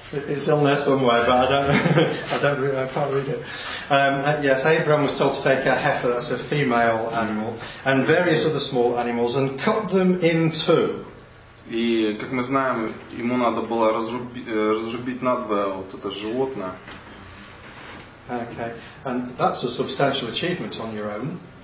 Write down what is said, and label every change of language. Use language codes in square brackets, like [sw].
[en] It's on there somewhere, but I can't read it. Yes, Abraham was told to take a heifer, that's a female animal, and various other small animals, and cut them in two. [ru] И как мы знаем, ему надо было разрубить надвое вот это животное. [en] Okay, and that's a substantial achievement on your own.